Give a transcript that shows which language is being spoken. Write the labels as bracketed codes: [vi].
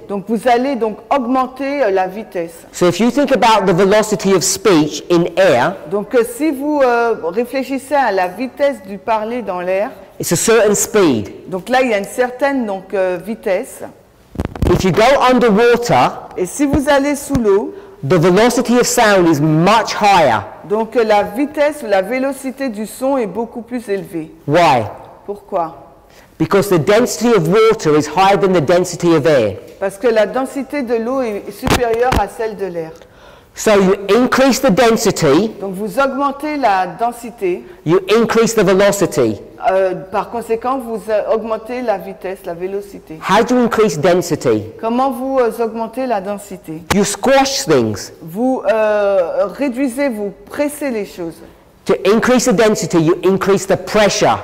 [fr] Donc vous allez donc augmenter la vitesse. [en] So if you think about the velocity of speech in air, [fr] donc si vous réfléchissez à la vitesse du parler dans l'air, [en] it's a certain speed. [fr] Donc là il y a une certaine donc vitesse. [en] If you go underwater, [fr] et si vous allez sous l'eau, [en] the velocity of sound is much higher. [fr] Donc la vitesse ou la vélocité du son est beaucoup plus élevée. [en] Why? [fr] Pourquoi? [en] Because the density of water is higher than the density of air. [fr] Parce que la densité de l'eau est supérieure à celle de l'air. [en] So you increase the density. [fr] Donc vous augmentez la densité. [en] You increase the velocity. [fr] Par conséquent, vous augmentez la vitesse, la vélocité. [en] How do you increase density? [fr] Comment vous augmentez la densité? [en] You squash things. [fr] Vous réduisez, vous pressez les choses. [en] To increase the density, you increase the pressure.